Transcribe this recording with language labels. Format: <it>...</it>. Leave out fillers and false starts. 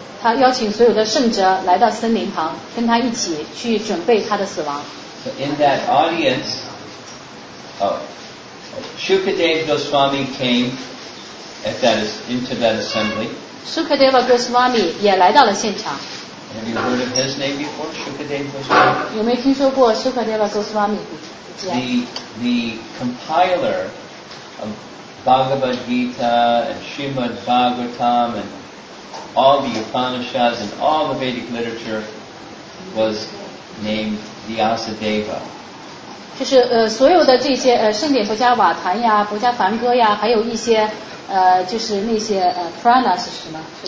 <zh>他邀请所有的圣哲来到森林旁，跟他一起去准备他的死亡。</zh> <en>So in that audience, Shukadeva Goswami came at that, into that assembly.</en> <zh>Shukadeva Goswami 也来到了现场。</zh> <en>Have you heard of his name before, Shukadeva Goswami?</en> <zh>有没有听说过 Shukadeva Goswami?</zh> <en>The compiler of Bhagavad Gita and Srimad Bhagavatam and all the Upanishads and all the Vedic literature was named Vyasadeva.</en> <zh>就是所有的这些圣典佛家瓦坛呀，佛家梵歌呀，还有一些就是那些Purana 是什么？</zh>